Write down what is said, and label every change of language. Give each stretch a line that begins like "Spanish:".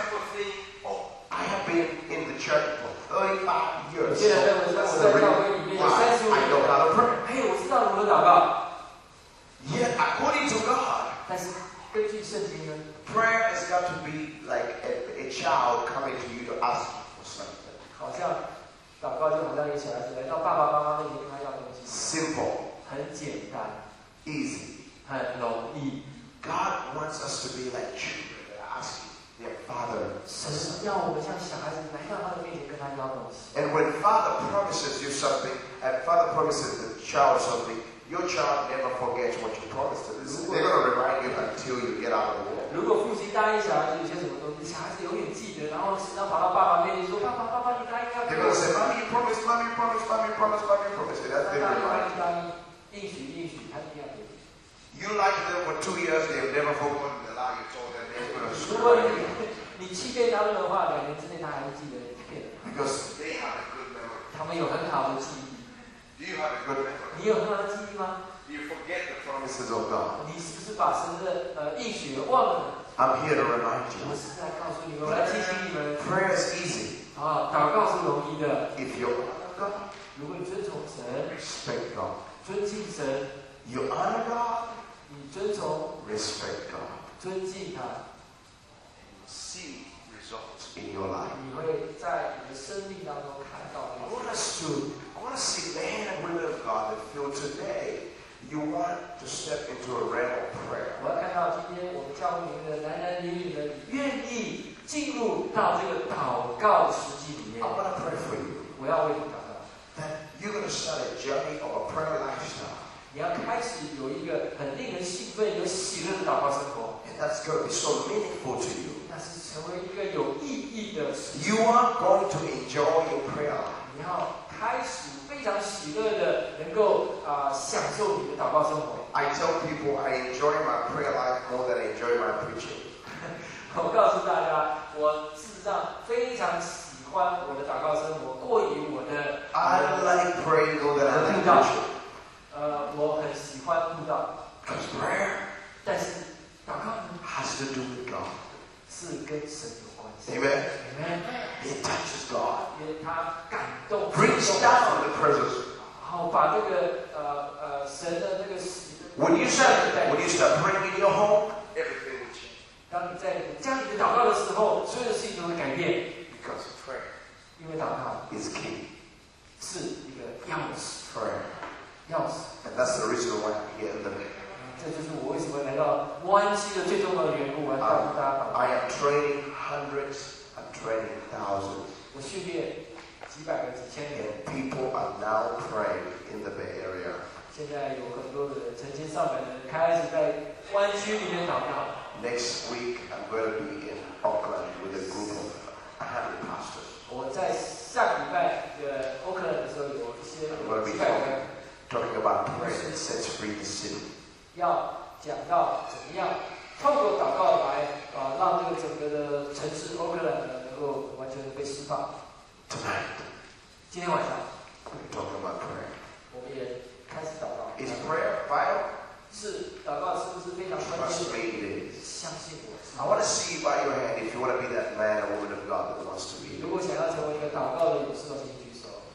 English: people think, oh, I have been in the church for 35 years. I know how to pray.
Chinese: 哎，我知道如何祷告。
English: Yet according to God,
Chinese: 但是根据圣经呢
English: ，prayer has got to be like a child coming to you to ask for something.
Chinese: 好像祷告就好像一小孩子来到爸爸妈妈那里跟他要东西。
English: Simple.
Chinese: 很简单。
English: Easy.
Chinese: 很容易。
English: God wants us to be like children that ask their father.
Chinese: 神要我们像小孩子来到他的面前跟他要东西。
English: And when father promises you something, and father promises the child something, your child never forgets what you promised him. They're going to remind you until you get out of the world.
Chinese: 如果父亲答应小孩子有些什么东西，小孩子永远记得，然后神要跑到爸爸面前说：“爸爸，爸爸，你答应要。”
English: They're going to say, "Mommy, you promised. Mommy, you promised. Mommy, you promised. Mommy, you promised." That's the reminder.
Chinese: 答应，应许，应许，他一定要。
English: You like them for 2 years, they have never forgotten the lie you told them. They're going to screw up.
Chinese: 你欺骗他们的话，两年之内他还会记得你骗的。
English: Because they have a good memory.
Chinese: 他们有很好的记忆。
English: Do you have a good memory?
Chinese: 你有很好的记忆吗？
English: Do you forget the promises of God?
Chinese: 你是不是把神的应许忘了？
English: I'm here to remind you.
Chinese: 我是在告诉你们，我来提醒你们。
English: Prayer is easy.
Chinese: 啊，祷告是容易的。
English: If you honor God,
Chinese: 如果你尊崇神
English: ，respect God,
Chinese: 尊敬神
English: ，you honor God.
Chinese: 你尊崇
English: respect God,
Chinese: 尊敬他
English: and you see results in your life.
Chinese: 你会在你的生命当中看到
English: I want to see men and women of God that feel today you want to step into a realm of prayer.
Chinese: 我要看到今天我们教会的男男女女们愿意进入到这个祷告实际里面。
English: I want to pray for you.
Chinese: 我要为你祷告。
English: That you're going to start a journey of a prayer lifestyle.
Chinese: 你要开始有一个很令人兴奋、有喜乐的祷告生活。
English: And that's going to be so meaningful to you.
Chinese: 那是成为一个有意义的。
English: You are going to enjoy your prayer.
Chinese: 你要开始非常喜乐的，能够享受你的祷告生活。
English: I tell people I enjoy my prayer life more than I enjoy my preaching.
Chinese: 我告诉大家，我事实上非常喜欢我的祷告生活，过于我的。
English: I like praying more than I like preaching.
Chinese: 我很喜欢布道。
English: Because prayer,
Chinese: 但是祷告呢
English: ？Has to do with God.
Chinese: 是跟神有关系。
English: Amen. Amen. It touches God.
Chinese: 因为它感动。
English: Brings down the presence.
Chinese: 好，把这个神的那个。
English: When you start praying in your home, everything will change.
Chinese: 当你在家里祷告的时候，所有的事情都会改变。
English: Because of prayer.
Chinese: 因为祷告。
English: Is key.
Chinese: 是一个钥匙。
English: Prayer. Else. And that's the reason why I'm here in the middle.
Chinese: 这就是我为什么来到湾区的最重要的缘故。我要告诉大家，
English: I am training hundreds, I'm training thousands.
Chinese: 我训练几百个、几千人。
English: And people are now praying in the Bay Area.
Chinese: 现在有很多的成千上百的人开始在湾区里面祷告。
English: Next week I'm going to be in Auckland with a group of 100 pastors.
Chinese: 我在下礼拜Auckland 的时候有一些几百个。
English: Talking about prayer that sets free the city.
Chinese: 要讲到怎么样透过祷告来啊，让这个整个的城市 Oakland 能够完全被释放。
English: Tonight，
Chinese: 今天晚上
English: ，we talk about prayer。
Chinese: 我们也开始祷告。
English: Is prayer vital？
Chinese: 是，祷告是不是非常关键
English: ？Trust me, it is。
Chinese: 相信我。
English: I want to see you by your hand if you want to be that man or woman of God that wants to be.
Chinese: 如果想要成为一个祷告的勇士的话，请举手。